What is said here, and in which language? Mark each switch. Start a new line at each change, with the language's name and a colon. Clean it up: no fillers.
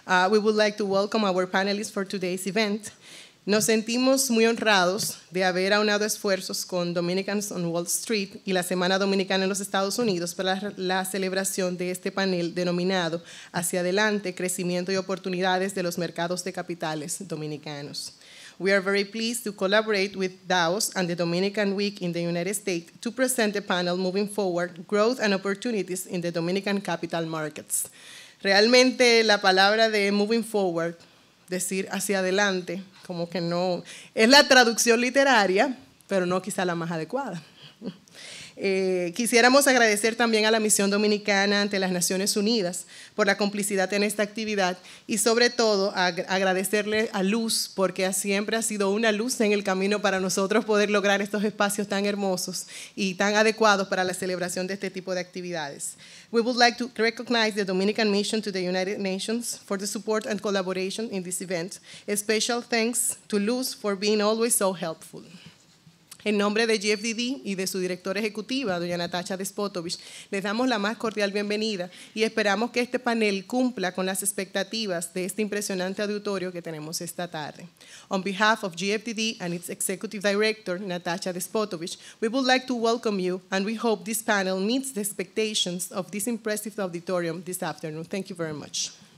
English: We would like to welcome our panelists for today's event.
Spanish: Nos sentimos muy honrados de haber aunado esfuerzos con Dominicans on Wall Street y la Semana Dominicana en los Estados Unidos para la celebración de este panel denominado Hacia Adelante, Crecimiento y Oportunidades de los Mercados de Capitales Dominicanos.
English: We are very pleased to collaborate with DOWS and the Dominican Week in the United States to present the panel Moving Foward, Growth and Opportunities in the Dominican Capital Markets.
Spanish: Realmente la palabra de Moving Foward, decir hacia adelante, como que no, es la traducción literaria, pero no quizá la más adecuada. Quisiéramos agradecer también a la misión dominicana ante las Naciones Unidas por la complicidad en esta actividad y sobre todo agradecerle a Luz porque siempre ha sido una luz en el camino para nosotros poder lograr estos espacios tan hermosos y tan adecuados para la celebración de este tipo de actividades.
English: We would like to recognize the Dominican Mission to the United Nations for the support and collaboration in this event. A special thanks to Luz for being always so helpful.
Spanish: En nombre de GFDD y de su directora ejecutiva, doña Natasha Despotovich, les damos la más cordial bienvenida y esperamos que este panel cumpla con las expectativas de este impresionante auditorio que tenemos esta tarde.
English: On behalf of GFDD and its executive director, Natasha Despotovich, we would like to welcome you and we hope this panel meets the expectations of this impressive auditorium this afternoon. Thank you very much.